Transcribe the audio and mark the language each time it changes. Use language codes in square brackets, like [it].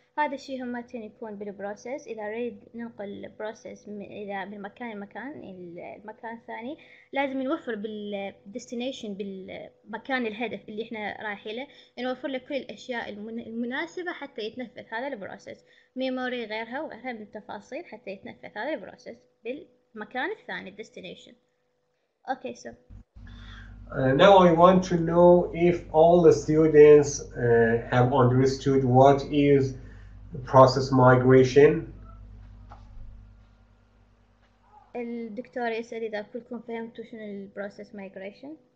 [ar] هذا الشيء هم ما يكون بالبروسيس. إذا أريد ننقل البروسيس إذا من مكان لمكان المكان الثاني لازم نوفر بالديستنيشن بالمكان الهدف اللي إحنا رايحين له، نوفر له كل الأشياء المناسبة حتى يتنفذ هذا البروسيس، ميموري غيرها وغيرها من التفاصيل حتى يتنفذ هذا البروسيس بالمكان الثاني الديستنيشن. [en] Okay so Now I want to know if all the students have understood what is process migration. [ar] الدكتور يسأل إذا كلكم فهمتوا شنو ال process migration.